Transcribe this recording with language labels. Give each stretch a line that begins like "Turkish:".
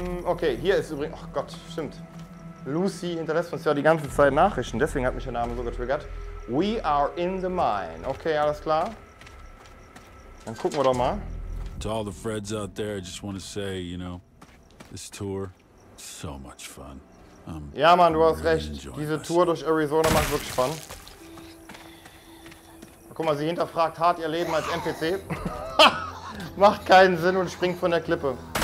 German: Okay, hier ist übrigens, ach Gott, stimmt. Lucy hinterlässt uns ja die ganze Zeit Nachrichten, deswegen hat mich der Name so getriggert.
English: We are in the mine.
German: Okay, alles klar. Dann gucken wir doch mal.
English: To all the Freds out there, I just want to say, you know, this tour, so much fun.
German: Ja, Mann, du hast recht. Diese Tour durch Arizona macht wirklich Spaß. Guck mal, sie hinterfragt hart ihr Leben als NPC. Macht keinen Sinn und springt von der Klippe.